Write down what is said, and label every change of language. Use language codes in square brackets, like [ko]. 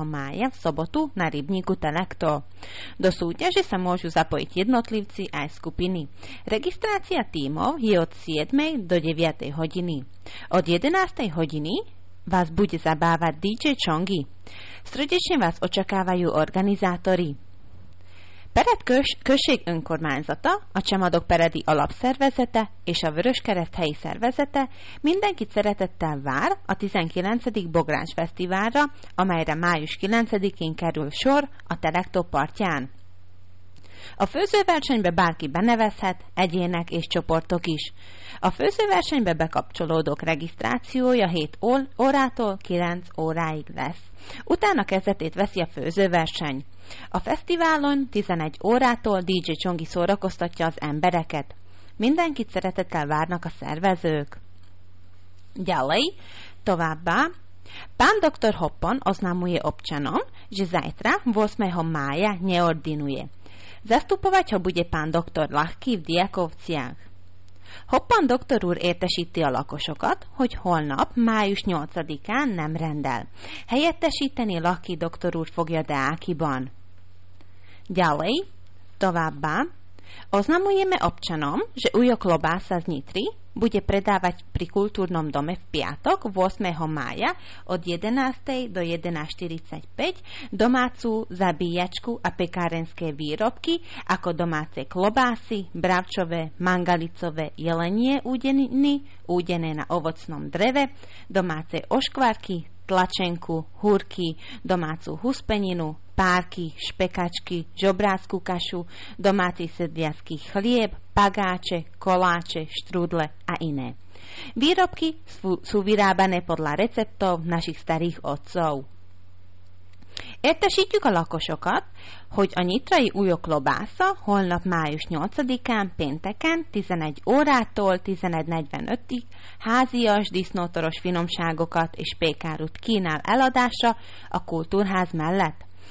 [sk] mája v sobotu na rybníku Talakto. Do súťaže sa môžu zapojiť jednotlivci aj skupiny. Registrácia tímov je od 7. do 9. hodiny. Od 11. hodiny vás bude zabávať DJ Čongi. Srdečne vás očakávajú organizátori. [hu] Perad Község Önkormányzata, a Csemadok Peredi Alapszervezete és a Vöröskereszt Helyi Szervezete mindenkit szeretettel vár a 19. Bogrács Fesztiválra, amelyre május 9-én kerül sor a Telektó partján. A főzőversenybe bárki benevezhet, egyének és csoportok is. A főzőversenybe bekapcsolódók regisztrációja 7 órától 9 óráig lesz. Utána kezdetét veszi a főzőverseny. A fesztiválon 11 órától DJ Csongi szórakoztatja az embereket. Mindenkit szeretettel várnak a szervezők. [sk] Ďalej, [hu] továbbá. [sk] Pán doktor Hoppan oznámuje občanom, že zajtra 8. mája neordinuje. Zastupovať ho bude pán doktor Lachky v Diakovciach. [hu] Hoppan doktor úr értesíti a lakosokat, hogy holnap, május 8-án nem rendel. Helyettesíteni Lachky doktor úr fogja Deákiban. [sk] Ďalej, [hu] továbbá, [sk] oznamujeme občanom, že Ujo Klobása z Nitry bude predávať pri kultúrnom dome v piatok 8. mája od 11. do 11.45 domácu zabíjačku a pekárenské výrobky ako domáce klobásy, bravčové, mangalicové, jelenie údeniny, údené na ovocnom dreve, domáce oškvárky, tlačenku, húrky, domácu huspeninu, párky, špekačky, žobrácku kašu, domáci sedliacký chlieb, pagáče, koláče, štrúdle a iné. Výrobky sú vyrábané podľa receptov našich starých otcov. [hu] Értesítjük a lakosokat, hogy a nyitrai Ujo Klobása holnap május 8-án pénteken 11 órától 11.45-ig házias, disznótoros finomságokat és pékárut kínál eladásra a kultúrház mellett.